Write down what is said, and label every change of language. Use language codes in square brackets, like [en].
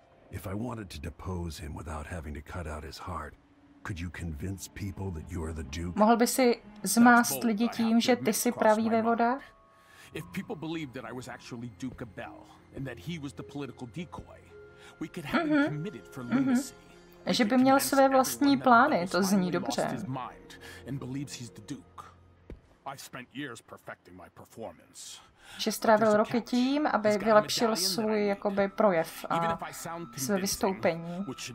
[en] If I wanted to depose him without having to cut out his heart, could you convince people that you are the Duke? [cs] Mohl by si zmást lidi tím, že ty jsi pravý vévoda? [en] If people believed that I was actually Duke Abel and that he was the political decoy, we could have him committed for lunacy. [cs] Že by měl své vlastní plány, to zní dobře. [en] And believes he's the Duke. I've spent years perfecting my performance. [cs] Že strávil roky tím, aby vylepšil svůj jakoby projev a své vystoupení.